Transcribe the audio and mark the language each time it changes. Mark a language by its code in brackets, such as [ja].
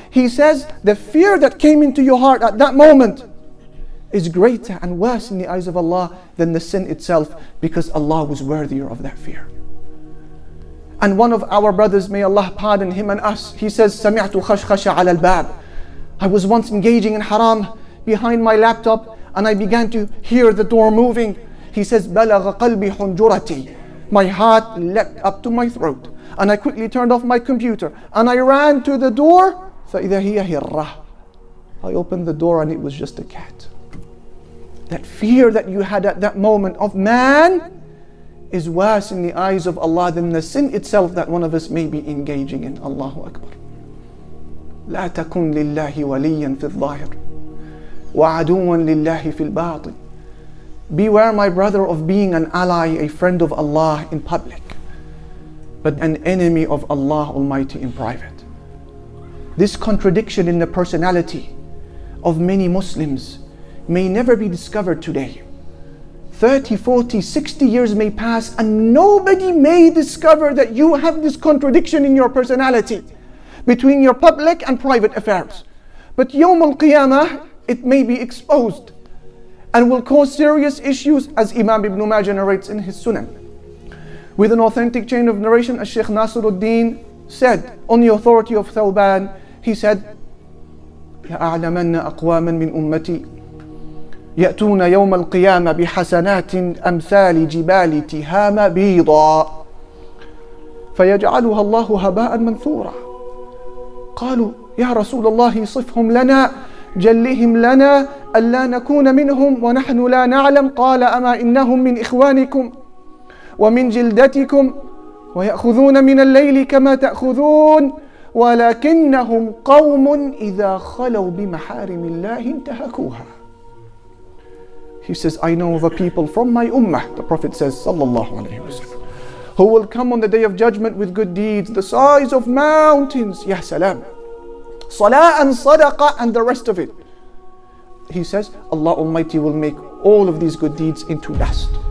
[en] He says, the fear that came into your heart at that moment is greater and worse in the eyes of Allah than the sin itself, because Allah was worthier of that fear. And one of our brothers, may Allah pardon him and us, he says, [ar] سَمِعْتُ خَشْخَشَ عَلَى الْبَابِ. [en] I was once engaging in haram behind my laptop and I began to hear the door moving. He says, [ar] بَلَغَ قَلْبِ حُنْجُرَتِي. [en] My heart leapt up to my throat and I quickly turned off my computer and I ran to the door. [ar] فَإِذَا هِيَ هِرَّةِ. [en] I opened the door and it was just a cat. That fear that you had at that moment of man is worse in the eyes of Allah than the sin itself that one of us may be engaging in. [ar] Allahu Akbar. لا تكن لله وليا في الظاهر وعدوا لله في الباطن. [en] Beware, my brother, of being an ally, a friend of Allah in public, but an enemy of Allah Almighty in private. This contradiction in the personality of many Muslims may never be discovered today. 30, 40, 60 years may pass and nobody may discover that you have this contradiction in your personality between your public and private affairs. But Yawm al-Qiyamah, it may be exposed and will cause serious issues, as Imam Ibn Majah narrates in his Sunan. With an authentic chain of narration, as Sheikh Nasiruddin said, on the authority of Thawban, he said, [ar] لَأَعْلَمَنَّ أَقْوَامًا مِنْ أُمَّتِي يأتون يوم القيامة بحسنات أمثال جبال تهامة بيضاء فيجعلها الله هباء منثورا. قالوا يا رسول الله صفهم لنا جلهم لنا ألا نكون منهم ونحن لا نعلم. قال أما إنهم من إخوانكم ومن جلدتكم ويأخذون من الليل كما تأخذون ولكنهم قوم إذا خلوا بمحارم الله انتهكوها. [en] He says, I know of a people from my ummah, the Prophet says, sallallahu alayhi wa sallam, who will come on the day of judgment with good deeds, the size of mountains, ya salam, salah and sadaqah and the rest of it. He says, Allah Almighty will make all of these good deeds into dust.